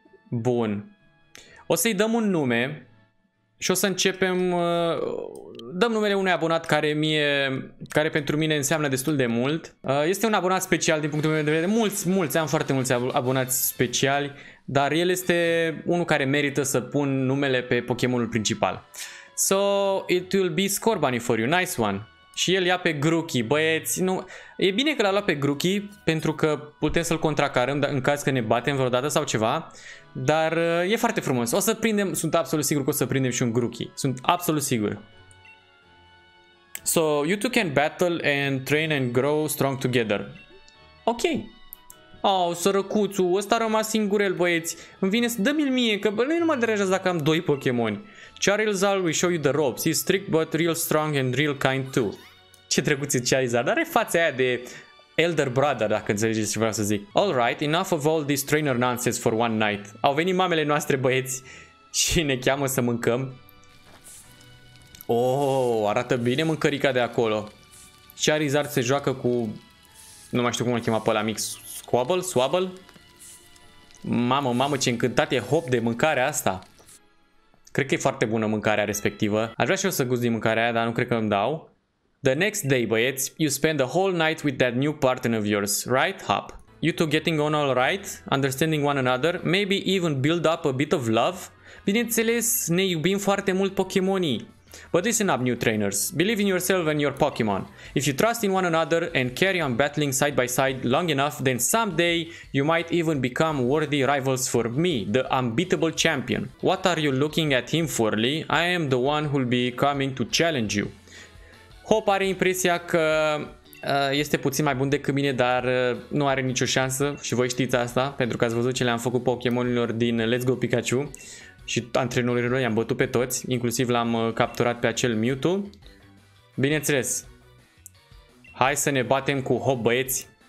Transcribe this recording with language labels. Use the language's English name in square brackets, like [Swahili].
[Romanian] Bun. O să-i dăm un nume și o să începem, dăm numele unui abonat care pentru mine înseamnă destul de mult. Este un abonat special din punctul meu de vedere, am foarte mulți abonați speciali, dar el este unul care merită să pun numele pe Pokémonul principal. [English] So, it will be Scorbunny for you, nice one. [Romanian] Și el ia pe Grookey, băieți, nu, e bine că l-a luat pe Grookey pentru că putem să-l contracarăm în caz că ne batem vreodată sau ceva. Dar e foarte frumos. O să prindem, sunt absolut sigur că o să prindem și un Grookey. Sunt absolut sigur. [English] So, you two can battle and train and grow strong together. Ok. [Romanian] Oh, sărăcuțu, ăsta a rămas singurel, băieți. Îmi vine să dă-mi-l mie, că bă, nu mă deranjează dacă am doi Pokémon. [English] Charizard will show you the ropes. He's strict but real strong and real kind too. [Romanian] Ce drăguț e Charizard. Are fața aia de [English] elder brother, [Romanian] dacă înțelegeți ce vreau să zic. [English] All right, enough of all this trainer nonsense for one night. [Romanian] Au venit mamele noastre, băieți, și ne cheamă să mâncăm. Oh, arată bine mâncărica de acolo. Charizard se joacă cu, nu mai știu cum îl chema pe ăla mix, Squabble, Swabble. Mamă, mamă, ce încântat e Hop de mâncarea asta. Cred că e foarte bună mâncarea respectivă. Aș vrea și eu să gust din mâncarea aia, dar nu cred că îmi dau. [English] The next day, băieți, you spend the whole night with that new partner of yours, right, Hop? You two getting on all right, understanding one another, maybe even build up a bit of love? [Romanian] Bineînțeles, ne iubim foarte mult Pokémonii. [English] But listen up, new trainers. Believe in yourself and your Pokémon. If you trust in one another and carry on battling side by side long enough, then someday you might even become worthy rivals for me, the unbeatable champion. What are you looking at him for, Lee? I am the one who'll be coming to challenge you. [Romanian] Hop are impresia că este puțin mai bun decât mine, dar nu are nicio șansă și voi știți asta, pentru că ați văzut ce le-am făcut Pokémonilor din Let's Go Pikachu și antrenorilor, i-am bătut pe toți, inclusiv l-am capturat pe acel Mewtwo. Bineînțeles, hai să ne batem cu Hop, băieți.